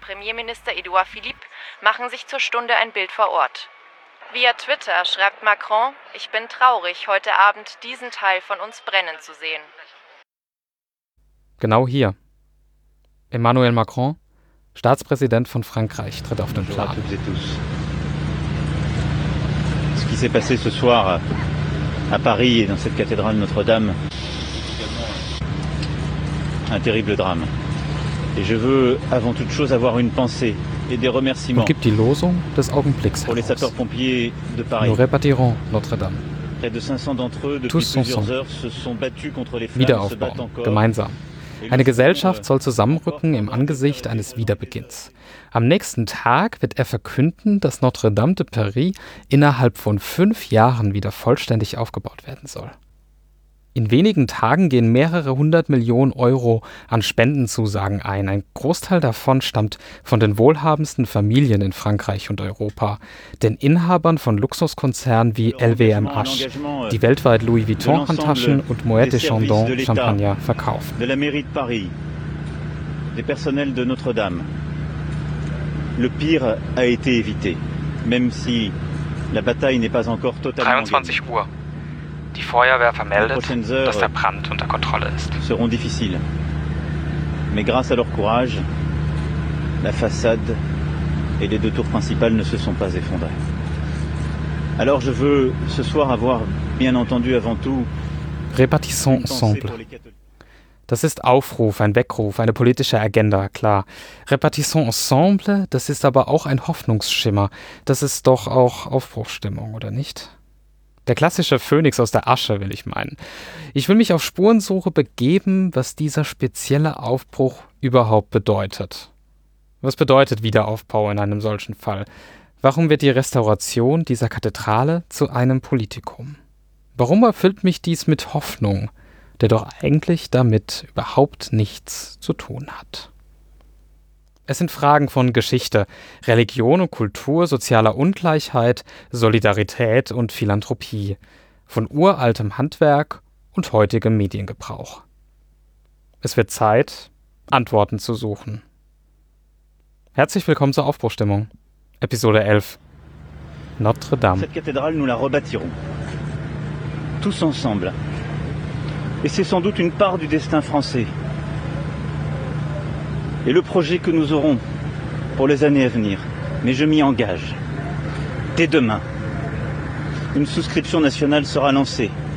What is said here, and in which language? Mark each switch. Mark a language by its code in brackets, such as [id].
[de] Premierminister Edouard Philippe machen sich zur Stunde ein Bild vor Ort. Via Twitter schreibt Macron, ich bin traurig, heute Abend diesen Teil von uns brennen zu sehen. Genau hier. Emmanuel Macron, Staatspräsident von Frankreich, tritt auf den Plan. [fr] Bonjour à toutes et tous. Ce qui s'est passé ce soir à Paris, dans cette cathédrale Notre-Dame, un terrible drame. Et je veux avant toute chose avoir une pensée et des remerciements. [de] Und gibt die Losung des Augenblicks [fr] pour les sapeurs-pompiers de Paris. Nous répéterons Notre-Dame. Près de 500 d'entre eux depuis plusieurs heures se sont battus contre les flammes, se battent encore. Gemeinsam. [de] Eine Gesellschaft soll zusammenrücken im Angesicht eines Wiederbeginns. Am nächsten Tag wird er verkünden, dass Notre-Dame de Paris innerhalb von 5 Jahren wieder vollständig aufgebaut werden soll. In wenigen Tagen gehen mehrere 100 Millionen Euro an Spendenzusagen ein. Ein Großteil davon stammt von den wohlhabendsten Familien in Frankreich und Europa, den Inhabern von Luxuskonzernen wie LVMH, die weltweit Louis Vuitton-Handtaschen und Moët & Chandon Champagner verkaufen. [fr] De la mairie de Paris, des personnels de Notre-Dame. Le pire a été évité, même si la bataille n'est pas encore totalement. [de] 23 Uhr. Die Feuerwehr vermeldet, dass der Brand unter Kontrolle ist. [fr] Seront difficiles. Mais grâce à leur courage, la façade et les deux tours principales ne se sont pas effondrées. Alors je veux ce soir avoir bien entendu avant tout. Répartissons ensemble. [de] Das ist Aufruf, ein Weckruf, eine politische Agenda, klar. [fr] Répartissons ensemble, [de] das ist aber auch ein Hoffnungsschimmer. Das ist doch auch Aufbruchsstimmung, oder nicht? Der klassische Phönix aus der Asche, will ich meinen. Ich will mich auf Spurensuche begeben, was dieser spezielle Aufbruch überhaupt bedeutet. Was bedeutet Wiederaufbau in einem solchen Fall? Warum wird die Restauration dieser Kathedrale zu einem Politikum? Warum erfüllt mich dies mit Hoffnung, der doch eigentlich damit überhaupt nichts zu tun hat? Es sind Fragen von Geschichte, Religion und Kultur, sozialer Ungleichheit, Solidarität und Philanthropie, von uraltem Handwerk und heutigem Mediengebrauch. Es wird Zeit, Antworten zu suchen. Herzlich willkommen zur Aufbruchstimmung, Episode 11, Notre Dame. [fr] Cette cathédrale, nous la rebâtirons. Tous ensemble. Et c'est sans doute une part du destin français. Et le projet que nous aurons pour les années à venir. Mais je m'y engage. Dès demain, une souscription nationale sera lancée.